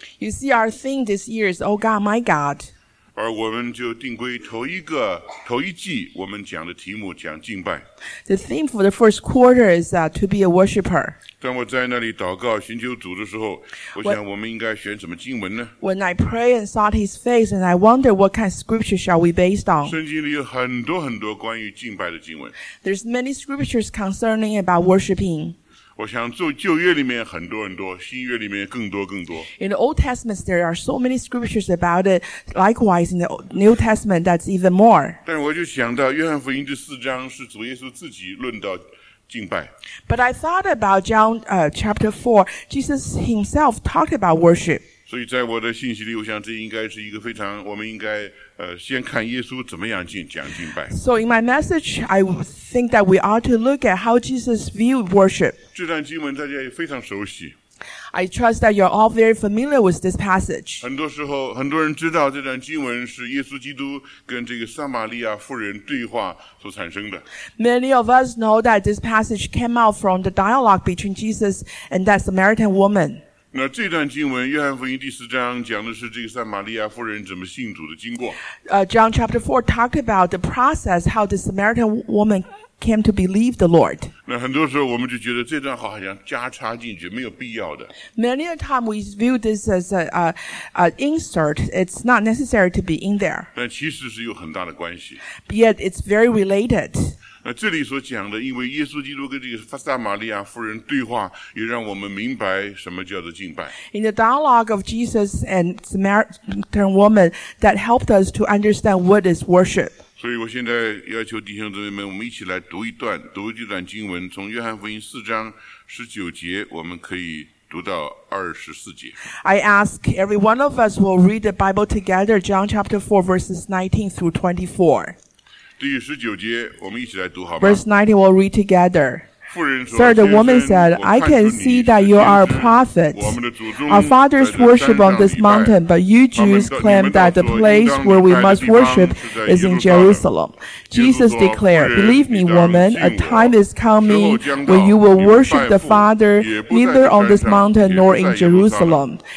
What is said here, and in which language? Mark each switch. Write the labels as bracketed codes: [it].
[en] You see our theme this year is Oh God, my God. [zh] 而我们就定规头一季我们讲的题目讲敬拜。 [en] The theme for the first quarter is to be a worshipper. [zh] 当我在那里祷告寻求主的时候，我想我们应该选什么经文呢？ [en] When I pray and sought his face and I wonder what kind of scripture shall we based on? [zh] 圣经里有很多很多关于敬拜的经文。 [en] There's many scriptures concerning about worshipping. [zh] 我想做旧约里面很多很多，新约里面更多更多。 [en] In the Old Testament, there are so many scriptures about it. Likewise, in the New Testament, that's even more. [zh] 但我就想到约翰福音第四章是主耶稣自己论到敬拜。 [en] But I thought about John, chapter 4, Jesus himself talked about worship. [zh] 所以在我的信息里，我想这应该是一个非常，我们应该先看耶稣怎么样讲敬拜。 [en] So in my message, I think that we ought to look at how Jesus viewed worship. [zh] 这段经文大家也非常熟悉。 [en] I trust that you're all very familiar with this passage. [zh] 很多时候，很多人知道这段经文是耶稣基督跟这个撒玛利亚妇人对话所产生的。 [en] Many of us know that this passage came out from the dialogue between Jesus and that Samaritan woman. [zh] 那这段经文约翰福音第四章讲的是这个撒玛利亚妇人怎么信主的经过。 [en] John chapter 4 talked about the process how the Samaritan woman came to believe the Lord. [zh] 那很多时候我们就觉得这段好像加插进去没有必要的。 [en] Many a time we view this as a insert. It's not necessary to be in there. [zh] 但其实是有很大的关系。 [en] But yet it's very related. [zh] 那这里所讲的，因为耶稣基督跟这个撒玛利亚妇人对话，也让我们明白什么叫做敬拜。 [en] In the dialogue of Jesus and Samaritan woman, that helped us to understand what is worship. [zh] 所以我现在要求弟兄姊妹们，我们一起来读一段，读这段经文，从约翰福音四章十九节，我们可以读到二十四节。 [en] I ask every one of us will read the Bible together, John chapter 4, verses 19 through 24. [zh] 第十九节，我们一起来读好吗 [en] ？Verse 19, we'll read together. [zh] 妇人说 [en] Sir, the woman said, I can see that you are a prophet. Our fathers worship on this mountain, but you Jews claim that the place where we must worship is in Jerusalem. Jesus declared, Believe me, woman, a time is coming when you will worship the Father neither on this mountain nor in Jerusalem.